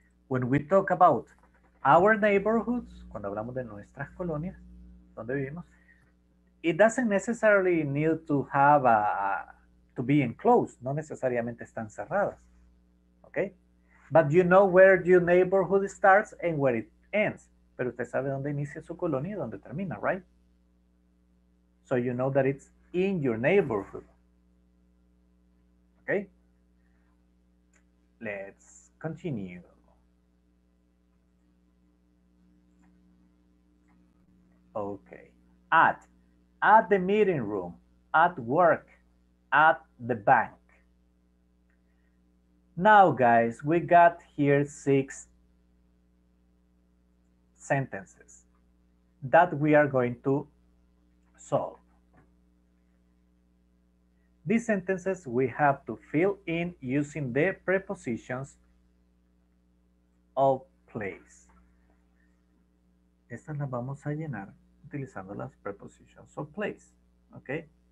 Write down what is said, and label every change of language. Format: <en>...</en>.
<en>When we talk about our neighborhoods,</en> <es>cuando hablamos de nuestras colonias, donde vivimos,</es> <en>it doesn't necessarily need to have to be enclosed.</en> <es>No necesariamente están cerradas, okay?</es> <en>But you know where your neighborhood starts and where it ends.</en> <es>Pero usted sabe dónde inicia su colonia y dónde termina, right?</es> <en>So you know that it's in your neighborhood, okay? Let's continue. Okay, at the meeting room, at work, at the bank. Now, guys, we got here six sentences that we are going to solve. These sentences we have to fill in using the prepositions of place.</en> <es>Estas las vamos a llenar utilizando las</es> <en>prepositions of place,</en> <es>okay?</es>